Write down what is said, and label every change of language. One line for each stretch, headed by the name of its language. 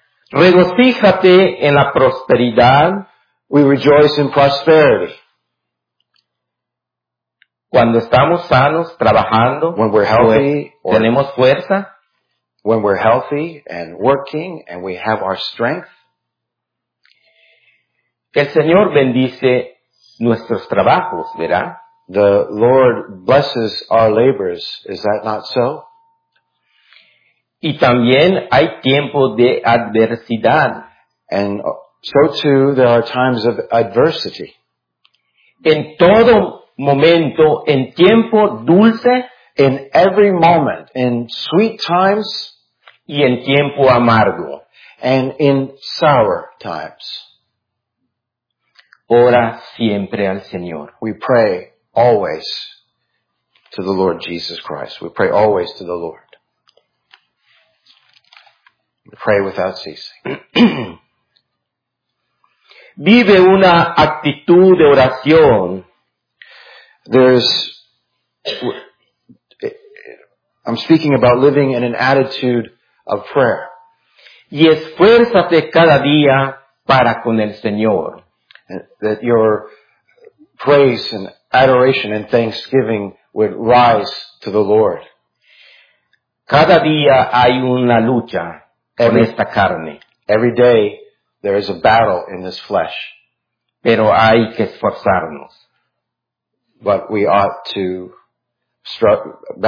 Spanish: Regocíjate en la prosperidad.
English: We rejoice in prosperity.
Spanish: Cuando estamos sanos, trabajando.
English: When we're healthy.
Spanish: Tenemos fuerza.
English: When we're healthy and working and we have our strength.
Spanish: El Señor bendice nuestros trabajos, ¿verdad?
English: The Lord blesses our labors. Is that not so?
Spanish: Y también hay tiempo de adversidad.
English: And so too, there are times of adversity.
Spanish: En todo momento, en tiempo dulce,
English: in every moment, in sweet times,
Spanish: y en tiempo amargo,
English: and in sour times.
Spanish: Ora siempre al Señor.
English: We pray always to the Lord Jesus Christ. We pray always to the Lord. We pray without ceasing.
Spanish: Vive una actitud de oración.
English: I'm speaking about living in an attitude of prayer.
Spanish: Y esfuérzate cada día para con el Señor.
English: That your praise and adoration and thanksgiving would rise to the Lord.
Spanish: Cada día hay una lucha con esta carne.
English: Every day there is a battle in this flesh.
Spanish: Pero hay que esforzarnos.
English: But we ought to struggle.